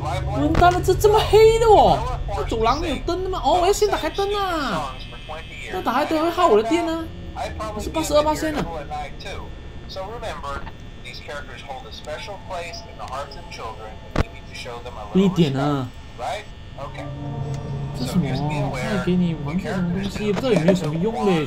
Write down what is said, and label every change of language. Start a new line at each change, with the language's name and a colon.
Chinese: 完蛋了，这这么黑的哦，这走廊没有灯的吗？哦，我要先打开灯啊！那打开灯会耗我的电呢、啊？还是82%呢？
English: So remember, these characters hold a special place in the hearts of children, and we need to show them a little respect. Right? Okay.
Chinese: 这什么？再给你玩这种东西，不知道有没有什么用嘞？